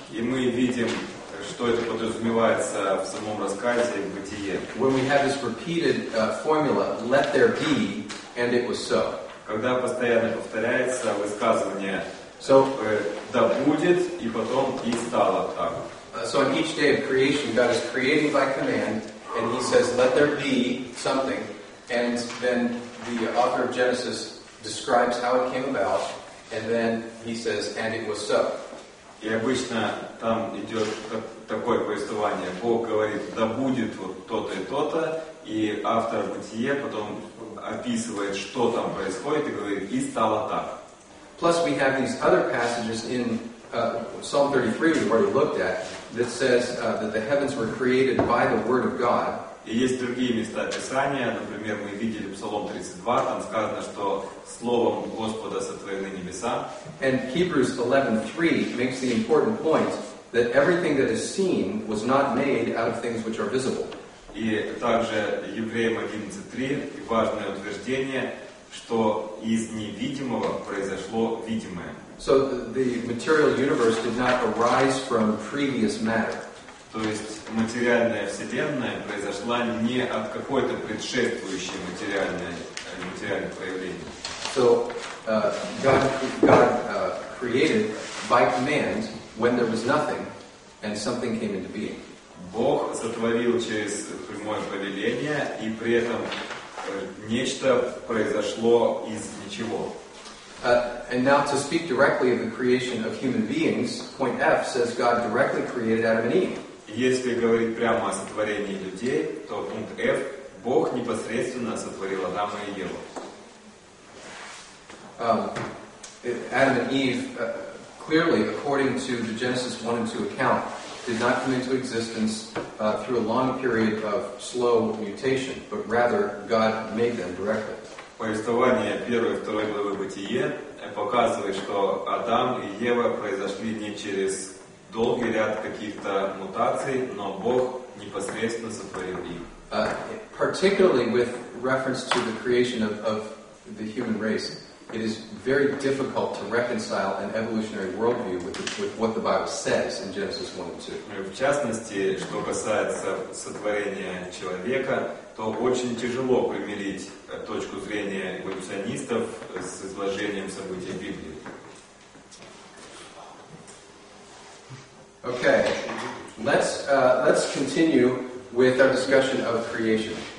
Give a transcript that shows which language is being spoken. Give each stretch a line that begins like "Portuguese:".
Russian: И мы видим, что это подразумевается в самом рассказе в Бытие.
English: When we have this repeated formula, let there be, and it was so.
Russian: Когда постоянно повторяется высказывание да будет, и потом и стало так.
English: So on each day of creation, God is creating by command, and He says, let there be something, and then the author of Genesis describes how it came about, and then He says, and it was so.
Russian: И обычно там идет такое повествование. Бог говорит, да будет вот то-то и то-то, и автор Бытие потом описывает, что там происходит, и говорит, и стало так.
English: Plus, we have these other passages in Psalm 33 we've already looked at that says that the heavens were created by the word of God.
Russian: И есть другие места Писания, например, мы видели Псалом 32, там сказано, что словом Господа сотворены небеса.
English: And Hebrews 11:3 makes the important point that everything that is seen was not made out of things which are visible.
Russian: И также Евреям 11:3 важное утверждение, что из невидимого произошло видимое.
English: So the material universe did not arise from previous matter.
Russian: То есть материальная вселенная произошла не от какой-то предшествующей материальной проявления.
English: So God created by command when there was nothing and something came into being.
Russian: Бог сотворил через прямое повеление и при этом нечто произошло из ничего.
English: And now to speak directly of the creation of human beings, point F says God directly created Adam and Eve.
Russian: Если говорить прямо о сотворении людей, то пункт F Бог непосредственно сотворил Адама и Еву.
English: Adam and Eve clearly, according to the Genesis 1 and 2 account, did not come into existence through a long period of slow mutation, but rather God made them directly.
Russian: Повествование первой и второй главы Бытия показывает, что Адам и Ева произошли не через долгий ряд каких-то мутаций, но Бог непосредственно сотворил их.
English: Particularly with reference to the creation of the human race, it is very difficult to reconcile an evolutionary worldview with what the Bible says in Genesis 1 and 2.
Russian: В частности, что касается сотворения человека, то очень тяжело примирить точку зрения эволюционистов с изложением событий Библии.
English: Okay, let's continue with our discussion of creation.